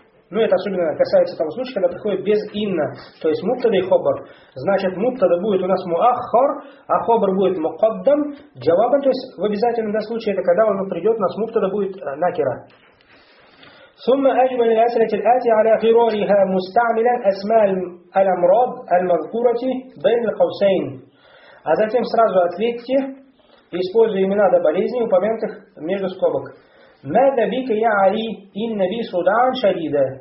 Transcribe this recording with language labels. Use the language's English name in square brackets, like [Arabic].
[Russian] Ну, это особенно касается того случая, когда приходит без инна. То есть муптада и хобар. Значит, муптада будет у нас муаххар, а хобар будет мухаддам. Джаваба, то есть в обязательном случае, это когда он придет, у нас муптада будет накера. [Arabic] ثم أجمع الأسئلة الآتي على غرارها مستعملا أسماء الأمراض المذكورة بين القوسين. [Russian] А затем сразу ответьте, используя имена до болезней, упомянутых между скобок. [Arabic] ماذا بك يا علي إن بي صداع شديد.